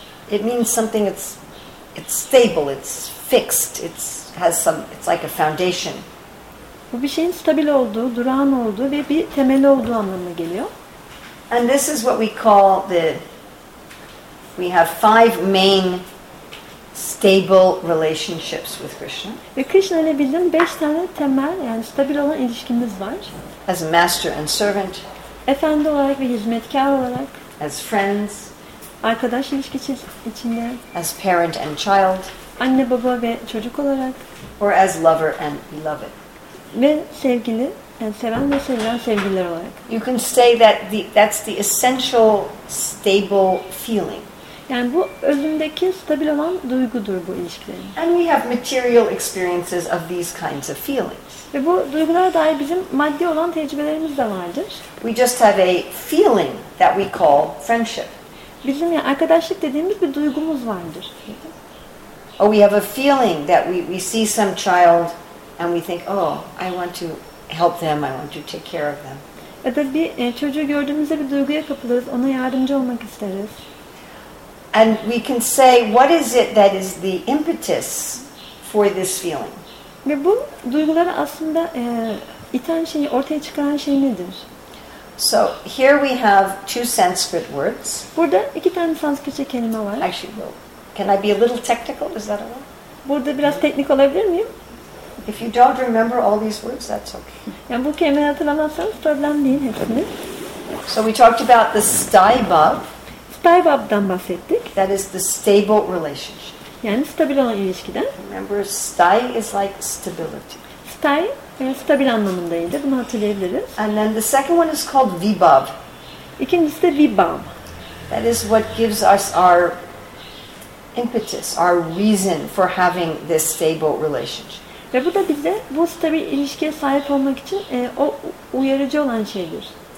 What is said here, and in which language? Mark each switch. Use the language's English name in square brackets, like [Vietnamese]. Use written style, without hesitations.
[English] It means something it's stable, it's fixed, it's has some, it's like a foundation. [Turkish] Bu bir şeyin stabil olduğu, durağan olduğu ve bir temeli olduğu anlamına geliyor. [English] And this is what we call the we have five main stable relationships with Krishna. [Turkish] Ve Krishna ile bizim 5 tane temel yani stabil olan ilişkimiz var. [English] As master and servant. [Turkish] Efendi olarak ve hizmetkar olarak. [English] As friends. [Turkish] Arkadaş ilişkisi içinde. [English] As parent and child. [Turkish] Anne baba ve çocuk olarak. [English] Or as lover and beloved. [Turkish] Ve sevgili, yani seven ve sevilen sevgililer olarak. [English] You can say that that's the essential stable feeling. [Turkish] Yani bu özündeki stabil olan duygudur bu ilişkilerin. [English] And we have material experiences of these kinds of feelings. [Turkish] Ve bu duygulara dair bizim maddi olan tecrübelerimiz de vardır. [English] We just have a feeling that we call friendship. [Turkish] Bizim yani arkadaşlık dediğimiz bir duygumuz vardır. [English] Or we have a feeling that we see some child and we think, oh, I want to help them, I want to take care of them. [Turkish] Ya da bir çocuğu gördüğümüzde bir duyguya kapılırız, ona yardımcı olmak isteriz. [English] And we can say, what is it that is the impetus for this feeling? [Turkish] Ve bu duyguları aslında iten şey, ortaya çıkaran şey nedir? [English] So here we have two Sanskrit words. [Turkish] Burada iki tane Sanskritçe kelime var. [English] Actually, well, can I be a little technical? Is that all? [Turkish] Burada biraz teknik olabilir miyim? [English] If you don't remember all these words, that's okay. [Turkish] Yani bu kelimeleri hatırlamazsanız problem değil hepsini. [English] So we talked about the staibab. [Turkish] Staibab'dan bahsettik. [English] That is the stable relationship. [Turkish] Yani stabil olan ilişkiden. [English] Remember, stai is like stability. [Turkish] Stai, stabil anlamındaydı. Bunu hatırlayabiliriz. [English] And then the second one is called vibab. [Turkish] İkincisi de vibab. [English] That is what gives us our impetus, our reason for having this stable relationship. [Turkish] Ve bu da bize bu stabil ilişkiye sahip olmak için o uyarıcı olan şeydir.